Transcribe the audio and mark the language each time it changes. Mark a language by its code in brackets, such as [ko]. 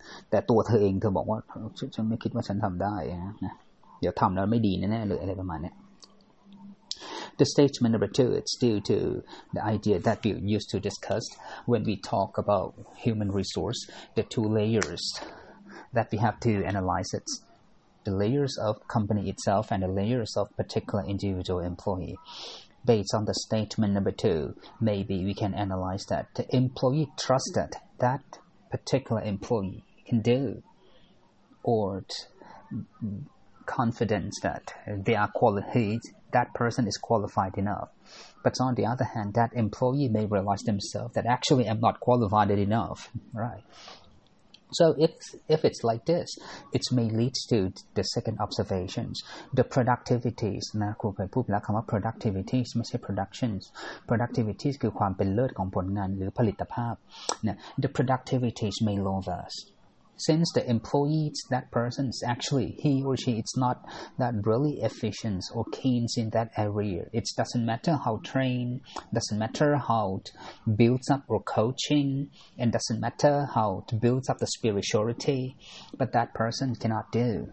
[th] แต่ตัวเธอเองเธอบอกว่าฉันไม่คิดว่าฉันทำได้นะนะเดี๋ยวทำแล้วไม่ดีแน่ๆเลยอะไรประมาณนี้ [en] The statement number 2 is due to the idea that we used to discuss when we talk about human resource the two layers that we have to analyze itThe layers of company itself and the layers of particular individual employee. Based on the statement number 2, maybe we can analyze that the employee trusted that particular employee can do, or confidence that they are qualified, that person is qualified enough. But on the other hand, that employee may realize themselves that actually I'm not qualified enough, right? So if it's like this, it may lead to the second observations. The productivities, [th] นะครูเคยพูดแล้วคำว่า productivities ไม่ใช่ productions. Productivities คือความเป็นเลิศของผลงานหรือผลิตภาพ นะ [en] The productivities may lower. Since the employee, that person is actually, he or she, it's not that really efficient or keen in that area. It doesn't matter how trained, doesn't matter how it builds up or coaching, and doesn't matter how it builds up the spirituality, but that person cannot do.